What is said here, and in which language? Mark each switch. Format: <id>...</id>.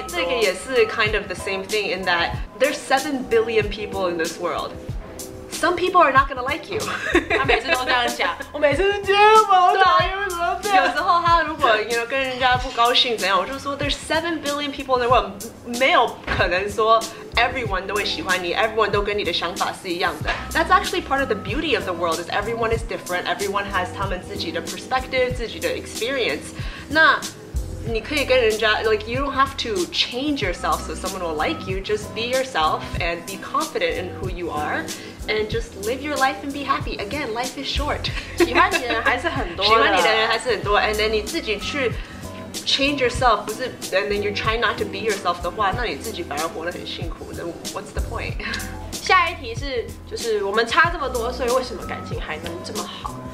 <zh>这个也是</zh> <en>kind of the same thing in that there's 7 billion people in this world. Some people are not gonna like you.</en> <zh>他每次都这样讲，我每次都觉得我好讨厌，为什么这样？有时候他如果跟人家不高兴怎样，我就说</zh> <en>there's 7 billion people in the world，</en> <zh>没有可能说。 Everyone 都会喜欢你， everyone 都跟你的想法是一样的。</zh> <en>That's actually part of the beauty of the world is everyone is different. Everyone has</en> <zh>他们自己的</zh> <en>perspective,</en> <zh>自己的</zh> <en>experience.</en> <zh>那你可以跟人家</zh> <en>like you don't have to change yourself so someone will like you. Just be yourself and be confident in who you are and just live your life and be happy. Again, life is short.</en> <zh>喜欢你的人还是很多的。喜欢你的人还是很多。</zh> <en>And then</en> <zh>你自己去</zh> <en>change yourself,</en> <zh>不是</zh> <en>and then you try not to be yourself</en> <zh>的话，那你自己反而活得很辛苦。那</zh> <en>what's the point?</en> <zh>下一题是，就是我们差这么多，所以为什么感情还能这么好？</zh>